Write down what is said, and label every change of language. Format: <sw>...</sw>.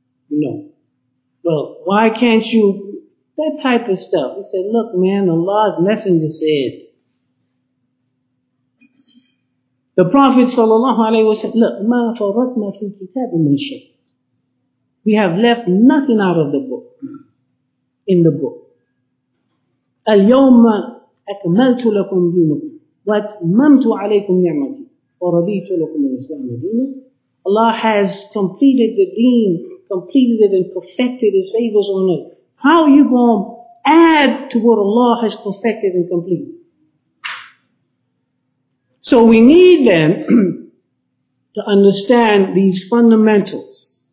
<en>No. Well, why can't you? That type of stuff. He said, look, man, Allah's messenger said. The Prophet sallallahu alaihi wasallam, look,</en> <ar>ما فرطنا في الكتاب من شيء.</ar> <en>We have left nothing out of the book. In the book.</en> <ar>اليوم أكملت لكم دينكم وأتممت عليكم نعمتي ورضيت لكم الإسلام دينا.</ar> <en>Allah has completed the deen, completed it and perfected His favors on us. How are you going to add to what Allah has perfected and completed? So we need then to understand these fundamentals.</en>